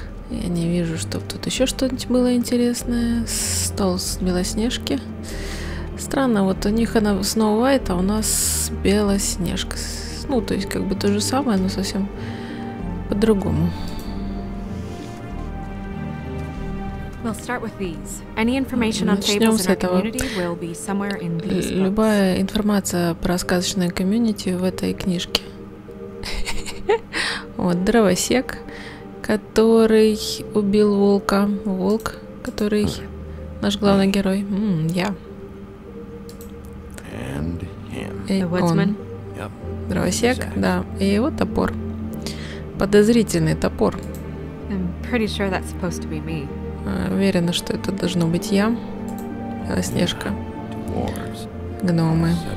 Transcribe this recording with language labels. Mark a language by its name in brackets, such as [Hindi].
[Russian] Я не вижу, чтобы тут еще что-нибудь было интересное. Стол с Белоснежки. Странно, вот у них она Snow White, а у нас Белоснежка. Ну, то есть как бы то же самое, но совсем по-другому. [English] We'll start with these. Any information on fables in our community will be somewhere in these books. [Russian] Любая информация про сказочное комьюнити в этой книжке. Вот дровосек, который убил волка. Волк, который наш главный герой. Я. [English] And him. The woodsman. [Russian] Дровосек, да. И его топор. Подозрительный топор. [English] I'm pretty sure that's supposed to be me. [Russian] Уверена, что это должно быть я, Белоснежка, гномы.